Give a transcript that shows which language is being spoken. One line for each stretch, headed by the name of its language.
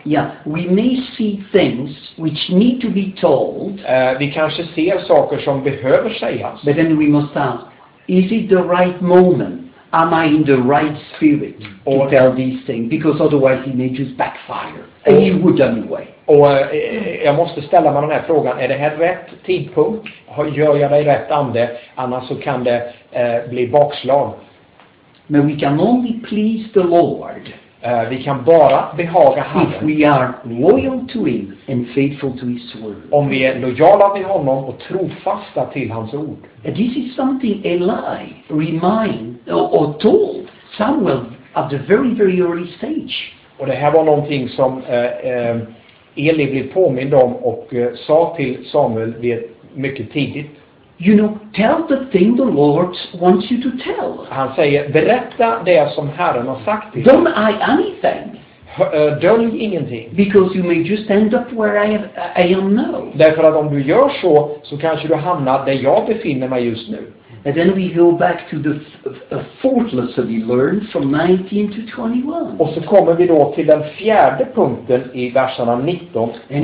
English: Yeah, we may see things which need to be told.
Swedish: Vi kanske ser saker som behöver sägas.
English: But then we must ask, is it the right moment? Am I in the right spirit to tell these things? Because otherwise it may just backfire. And it would anyway.
Swedish: Och jag måste ställa mig den här frågan, är det här rätt tidpunkt? Gör jag dig rätt ande? Annars så kan det bli bakslag.
English: But we can only please the Lord.
Swedish: Vi kan bara behaga Herren.
English: If we are loyal to him and faithful to his word.
Swedish: Om vi är lojala med honom och trofasta till hans ord.
English: And this is something Eli or told Samuel at the very, very early stage.
Swedish: Och det här var någonting som Eli blev påmind om och sa till Samuel vid mycket tidigt.
English: You know, tell the thing the Lord wants you to tell.
Swedish: Han säger, berätta det som Herren har sagt till.
English: Don't hide anything.
Swedish: Dölj ingenting.
English: Because you may just end up where I am now.
Swedish: Därför att om du gör så kanske du hamnar där jag befinner mig just nu.
English: And then we go back to the fourth lesson we learned from 19 to 21.
Swedish: Och så kommer vi då till den fjärde punkten i verserna 19 till 21.